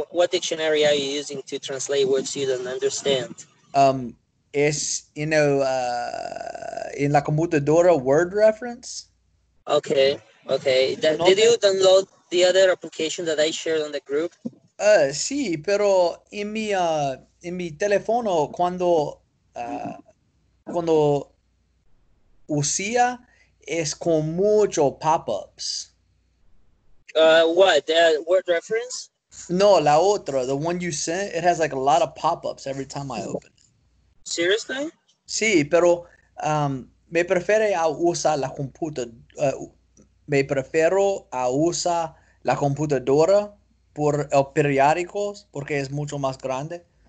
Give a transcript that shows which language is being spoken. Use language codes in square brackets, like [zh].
[en] What dictionary are you using to translate words you don't understand? [es] Es, en la computadora Word Reference. [en] Okay. [es] ¿Lo [en] Did you [es] notas? [en] download the other application that I shared on the group? [es] Sí, pero en mi teléfono cuando usía es con muchos pop-ups. [en] What? Word reference? [es] No, la otra, [en] the one you sent, it has like a lot of pop-ups every time I open it. Seriously? [es] Sí, pero me prefiero a usar la computadora. Me prefiero a usar la computadora por los periódicos porque es mucho más grande.